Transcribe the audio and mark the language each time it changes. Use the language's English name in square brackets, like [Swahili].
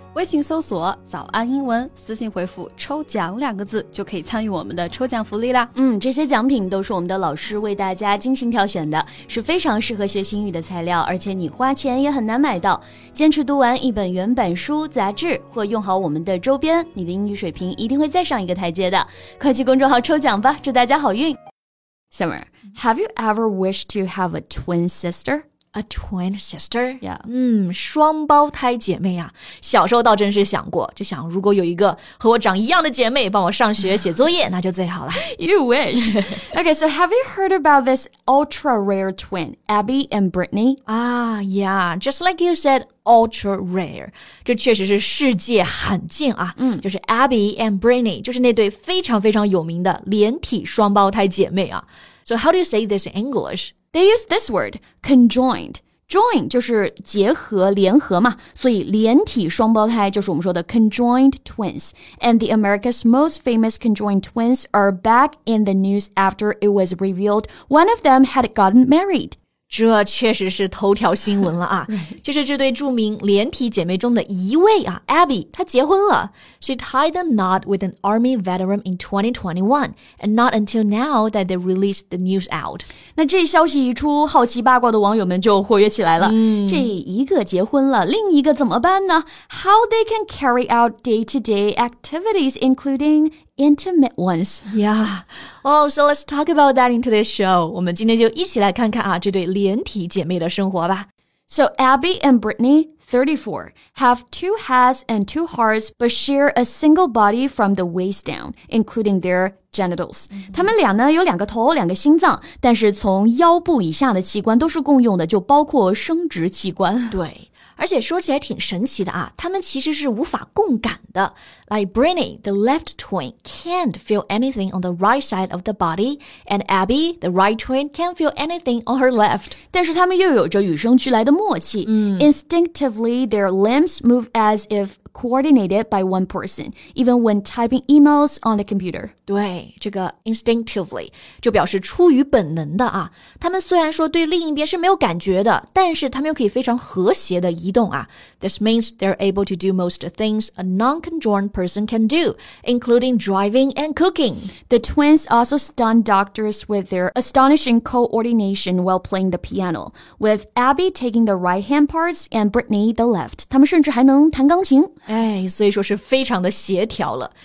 [Chinese] 微信搜索早安英文，私信回复抽奖两个字，就可以参与我们的抽奖福利啦。嗯，这些奖品都是我们的老师为大家精心挑选的，是非常适合学习英语的材料，而且你花钱也很难买到。坚持读完一本原版书、杂志或用好我们的周边，你的英语水平一定会再上一个台阶的。快去公众号抽奖吧，祝大家好运。 [English] Summer, have you ever wished to have a twin sister? A twin sister? Yeah. [Chinese] 双胞胎姐妹啊。小时候倒真是想过，就想如果有一个和我长一样的姐妹帮我上学写作业，那就最好了。 [English] You wish. Okay, so have you heard about this ultra rare twin, Abby and Brittany? Ah, yeah. Just like you said, ultra rare. [Chinese] 这确实是世界罕见啊。就是 Abby and Brittany, 就是那对非常非常有名的连体双胞胎姐妹啊。 [English] So how do you say this in English? They use this word, conjoined. [Chinese] Join 就是结合、联合嘛，所以连体双胞胎就是我们说的 conjoined twins. [English] And the America's most famous conjoined twins are back in the news after it was revealed one of them had gotten married. [Chinese] 这确实是头条新闻了啊！ [English] right. [Chinese] 就是这对著名连体姐妹中的一位啊 ，Abby， 她结婚了。 [English] She tied the knot with an army veteran in 2021, and not until now that they released the news out. [Chinese] 那这消息一出，好奇八卦的网友们就活跃起来了。这一个结婚了，另一个怎么办呢 ？ [English] How they can carry out day-to-day activities, including intimate ones? Yeah. Well, so let's talk about that in today's show. [Chinese] 我们今天就一起来看看啊，这对连体姐妹的生活吧。 [English] So Abby and Brittany, 34, have two heads and two hearts, but share a single body from the waist down, including their genitals. [Chinese] 他们俩呢有两个头两个心脏，但是从腰部以下的器官都是共用的，就包括生殖器官。对。而且说起来挺神奇的啊，他们其实是无法共感的。 [English] Like Brittany, the left twin can't feel anything on the right side of the body, and Abby, the right twin can't feel anything on her left. [Chinese] 但是他们又有着与生俱来的默契。 [English] Instinctively, their limbs move as if coordinated by one person, even when typing emails on the computer. [Chinese] 对，这个 instinctively 就表示出于本能的啊。他们虽然说对另一边是没有感觉的，但是他们又可以非常和谐的移动啊。 [English] This means they're able to do most things a non-conjoined person can do, including driving and cooking. The twins also stunned doctors with their astonishing coordination while playing the piano, with Abby taking the right-hand parts and Brittany the left. [Chinese] 他们甚至还能弹钢琴。哎，所以说是非常的协调了。